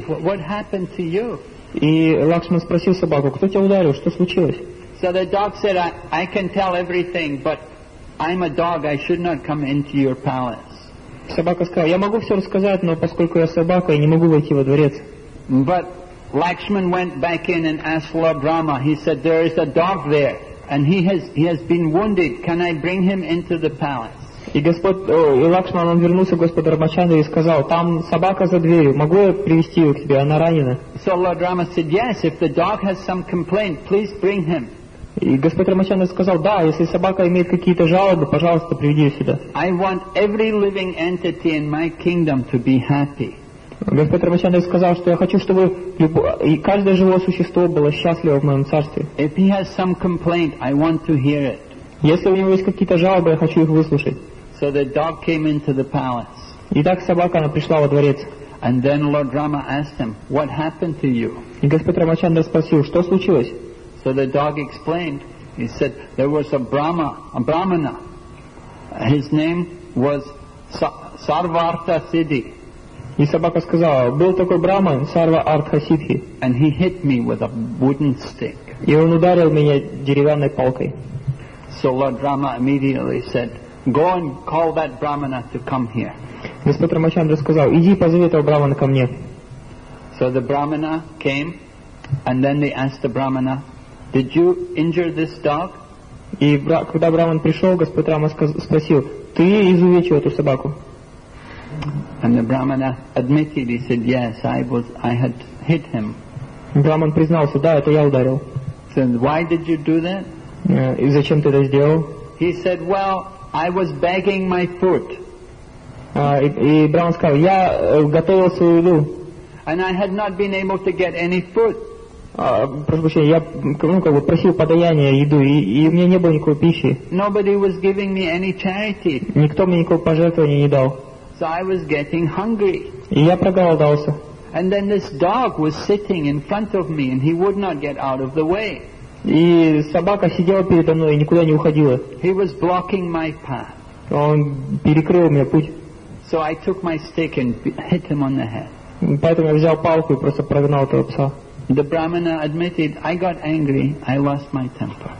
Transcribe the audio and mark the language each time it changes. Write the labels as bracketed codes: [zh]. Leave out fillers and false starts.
[en] What happened to you? [ru] И Лакшман спросил собаку, кто тебя ударил, что случилось? [en] So the dog said, I can tell everything, but I'm a dog, I should not come into your palace. [ru] Собака сказала, я могу все рассказать, но поскольку я собака, я не могу войти во дворец. [en] But Lakshman went back in and asked Lord Rama, he said, there is a dog there, and he has been wounded, can I bring him into the palace? [ru] И Лакшман, он вернулся к Господу Рамачандре и сказал, там собака за дверью, могу я привести ее к тебе, она ранена? [en] So Lord Rama said, yes, if the dog has some complaint, please bring him. [ru] И Господь Рамачандра сказал, да, если собака имеет какие-то жалобы, пожалуйста, приведи ее сюда. [en] I want every living entity in my kingdom to be happy. [ru] Господь Рамачандра сказал, что я хочу, чтобы и каждое живое существо было счастливо в моем царстве. [en] If he has some complaint, I want to hear it. [ru] Если у него есть какие-то жалобы, я хочу их выслушать. [en] So the dog came into the palace. [ru] Итак, собака, она пришла во дворец. [en] And then Lord Rama asked him, what happened to you? [ru] И Господь Рамачандра спросил, что случилось? [en] So the dog explained. He said, there was a brahmana. His name was Sarvartha Siddhi. [ru] И собака сказала, был такой брахман Сарвартха Сиддхи. [en] And he hit me with a wooden stick. [ru] И он ударил меня деревянной палкой. [en] So Lord Rama immediately said, go and call that brahmana to come here. [ru] Господь Рамачандра сказал, иди позови этого брахмана ко мне. [en] So the brahmana came, and then they asked the brahmana, did you injure this dog? [ru] И когда брахман пришел, Господь Рама спросил, ты изувечил эту собаку? [en] And the brahmana admitted, he said, yes, I had hit him. [ru] Брахман признался, да, это я ударил. [en] So why did you do that? [ru] И зачем ты это сделал? [en] He said, well, I was begging my food. [ru] И Браун сказал, я готовил свою еду. [en] And I had not been able to get any food. [ru] Прошу прощения, я как бы просил подаяния, еду, и у меня не было никакой пищи. [en] Nobody was giving me any charity. [ru] Никто мне никакого пожертвования не дал. [en] So I was getting hungry. [ru] И я проголодался. [en] And then this dog was sitting in front of me and he would not get out of the way. [ru] И собака сидела передо мной и никуда не уходила. [en] He was blocking my path. [ru] Он перекрыл мне путь. [en] So I took my stick and hit him on the head. [ru] Поэтому я взял палку и просто прогнал этого пса. [en] The Brahmana admitted, I got angry, I lost my temper.